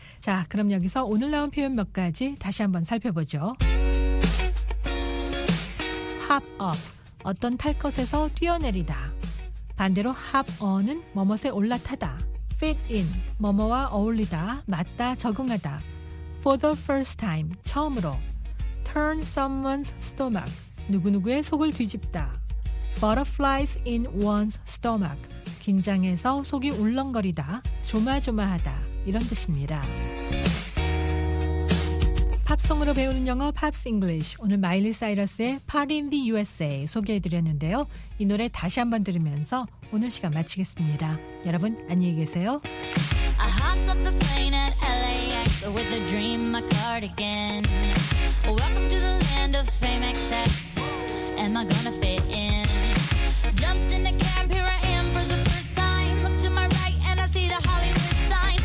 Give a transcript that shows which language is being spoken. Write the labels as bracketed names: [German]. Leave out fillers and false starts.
[Korean] 자, 그럼 여기서 오늘 나온 표현 몇 가지 다시 한번 살펴보죠. [English] Hop off, [Korean] 어떤 탈 것에서 뛰어내리다. 반대로 [English] hop on [Korean] 은 뭐뭇에 올라타다. [English] Fit in, [Korean] 뭐뭇와 어울리다, 맞다, 적응하다. [English] For the first time, [Korean] 처음으로. [English] Turn someone's stomach, [Korean] 누구누구의 속을 뒤집다. [English] Butterflies in one's stomach, [Korean] 긴장해서 속이 울렁거리다, 조마조마하다, 이런 뜻입니다. 팝송으로 배우는 영어 팝스 잉글리쉬, 오늘 마일리 사이러스의 Party in the USA 소개해드렸는데요. 이 노래 다시 한번 들으면서 오늘 시간 마치겠습니다. 여러분 안녕히 계세요. [English] I hopped off the plane at LAX with a dream my cardigan. Welcome to the land of fame excess. Am I gonna fit in? Jumped in the cab, here I am for the first time. Look to my right and I see the Hollywood sign.